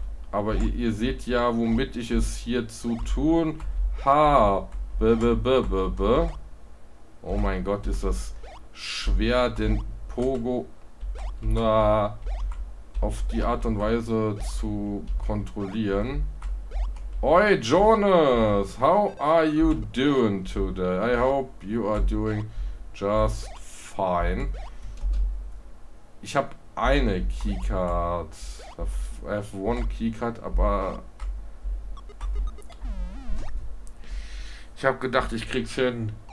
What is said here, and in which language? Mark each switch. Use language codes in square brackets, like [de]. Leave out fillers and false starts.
[de] Aber ihr seht ja, womit ich es hier zu tun habe. Oh mein Gott, ist das schwer, den Pogo na auf die Art und Weise zu kontrollieren. [en] Oi, Jonas, how are you doing today? I hope you are doing just fine. [de] Ich habe eine Keycard. [en] I have one Keycard, [de] aber ich habe gedacht, ich krieg's hin.